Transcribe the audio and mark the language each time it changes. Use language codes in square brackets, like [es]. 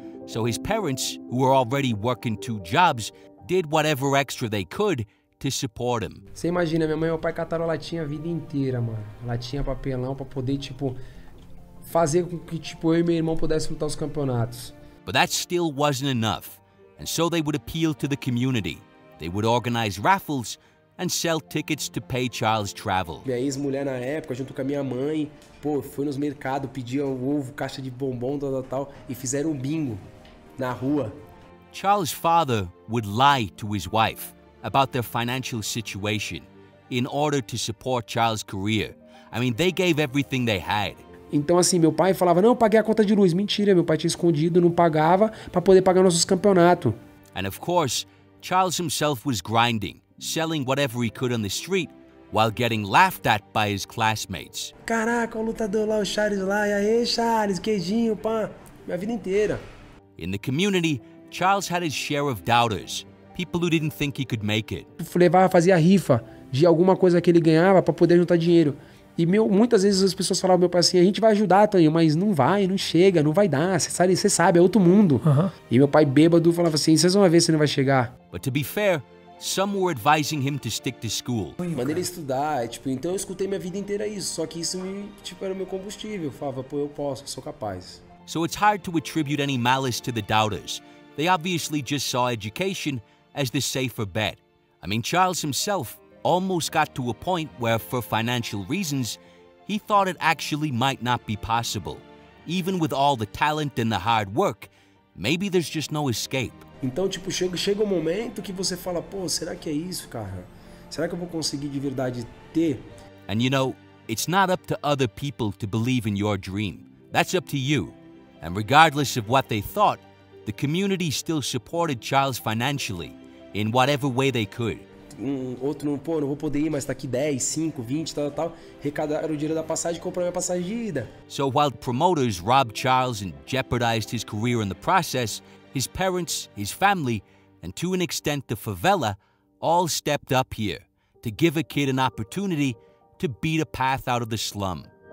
[en] So his parents, who were already working two jobs, did whatever extra they could to support him. [pt] Você imagina, minha mãe e meu pai cataram latinha a vida inteira, mano. Latinha, papelão, pra poder, tipo, fazer com que, tipo, eu e meu irmão pudéssemos lutar os campeonatos. [en] But that still wasn't enough. And so they would appeal to the community. They would organize raffles and sell tickets to pay Charles' travel. [pt] Minha ex-mulher na época, junto com a minha mãe, pô, foi nos mercados, pedia ovo, caixa de bombom, tal, e fizeram bingo na rua. [en] Charles' father would lie to his wife about their financial situation in order to support Charles' career. I mean, they gave everything they had. [pt] Então assim, meu pai falava, não, eu paguei a conta de luz. Mentira, meu pai tinha escondido, não pagava para poder pagar nossos campeonatos. [en] And of course, Charles himself was grinding, selling whatever he could on the street while getting laughed at by his classmates. [pt] Caraca, o lutador lá, o Charles lá, e aí, Charles, queijinho, pá, minha vida inteira. [en] In the community, Charles had his share of doubters, people who didn't think he could make it. [pt] Levava, fazia rifa de alguma coisa que ele ganhava para poder juntar dinheiro. E meu, muitas vezes as pessoas falavam, meu pai, assim, a gente vai ajudar, Tanho, mas não vai, não chega, não vai dar, você sabe, é outro mundo. Uh-huh. E meu pai bêbado falava assim, vocês vão ver se não vai chegar. [en] But to be fair, some were advising him to stick to school. [pt] Mandei ele estudar, tipo, então eu escutei minha vida inteira isso, só que isso me, tipo, era meu combustível. Eu falava, pô, eu posso, eu sou capaz. [en] So it's hard to attribute any malice to the doubters. They obviously just saw education as the safer bet. I mean, Charles himself almost got to a point where, for financial reasons, he thought it actually might not be possible. Even with all the talent and the hard work, maybe there's just no escape. [pt] Então, tipo, chega um momento que você fala, pô, será que é isso, cara? Será que eu vou conseguir de verdade ter? [en] And you know, it's not up to other people to believe in your dream. That's up to you. And regardless of what they thought, The community still supported Charles financially, in whatever way they could. [pt] Outro não, pô, não vou poder ir, mas tá aqui 10, 5, 20, tal, tal. Recadaram o dinheiro da passagem e comprou minha passagem de ida. [en] So while promoters robbed Charles and jeopardized his career in the process, his parents, his family, and to an extent the favela, all stepped up here to give a kid an opportunity to beat a path out of the slum.